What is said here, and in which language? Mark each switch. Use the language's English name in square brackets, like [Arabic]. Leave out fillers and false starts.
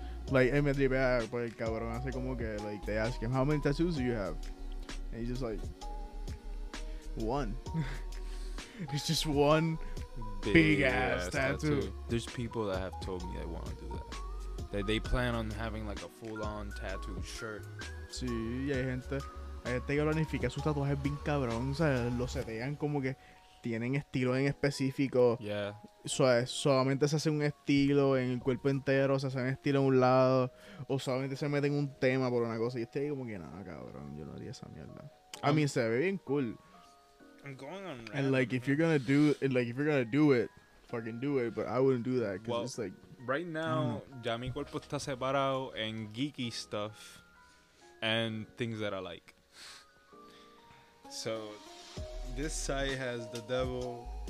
[English] Like, [Spanish] me tripea, pues el cabrón hace como que, [English] like, they ask him, "How many tattoos do you have?" And he's just like, "One." It's just one big ass tattoo. There's people that have told me they want to do that. That they plan on having like a full on tattoo shirt. [Spanish] Sí, y hay gente. Hay gente que planifica sus tatuajes bien cabrón, o sea, lo setean como que tienen estilo en específico. [English] Yeah. [Spanish] Solamente se hace un estilo en el cuerpo entero, se hace un estilo en un lado, o solamente se meten un tema por una cosa. Y estoy ahí como que, no, cabrón, yo no haría esa mierda. A mí se ve bien cool. [English] I'm going on random. And like, if you're gonna do it, like, if you're gonna do it, fucking do it. But I wouldn't do that because, well, it's like right now, [Spanish] ya mi cuerpo está separado en [English] geeky stuff and things that I like. So this side has the devil,